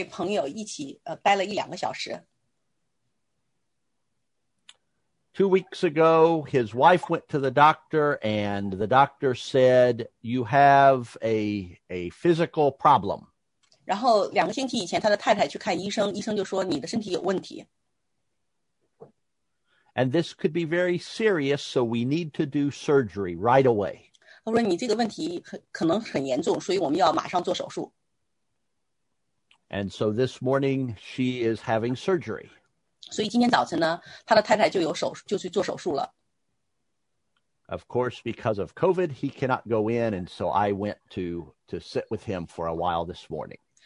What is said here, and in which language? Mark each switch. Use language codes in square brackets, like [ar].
[zh] 我今天早晨刚刚跟一位朋友一起待了一两个小时。 [en] 2 weeks ago, his wife went to the doctor, and the doctor said, you have a physical problem. [zh] 然后两个星期以前,他的太太去看医生, 医生就说你的身体有问题。 [en] And this could be very serious, so we need to do surgery right away. [zh] 他说你这个问题可能很严重,所以我们要马上做手术。 [en] And so this morning, she is having surgery. [zh] 所以今天早晨呢,他的太太就去做手术了。 [en] Of course, because of COVID, he cannot go in, and so I went to sit with him for a while this morning.